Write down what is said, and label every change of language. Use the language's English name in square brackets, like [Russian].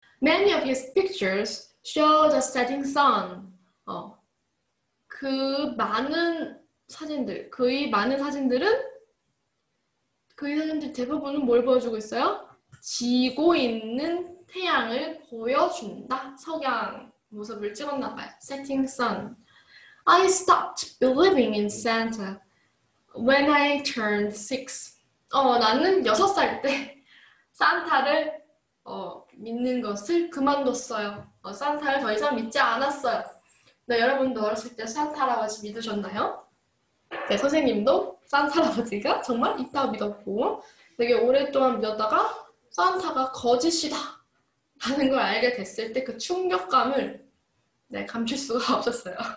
[English] Many of his pictures show the setting sun. [Korean] 그 많은 사진들, 그의 많은 사진들은 그의 사진들 대부분은 뭘 보여주고 있어요? 지고 있는 태양을 보여준다. 석양 모습을 찍었나 봐요. [English] Setting sun. I stopped believing in Santa when I turned six. [Korean] 나는 6살 때 산타를 믿는 것을 그만뒀어요. 산타를 더 이상 믿지 않았어요. 네, 여러분도 어렸을 때 산타 할아버지 믿으셨나요? 네, 선생님도 산타 할아버지가 정말 있다고 믿었고 되게 오랫동안 믿었다가 산타가 거짓이다 라는 걸 알게 됐을 때 그 충격감을 감출 수가 없었어요.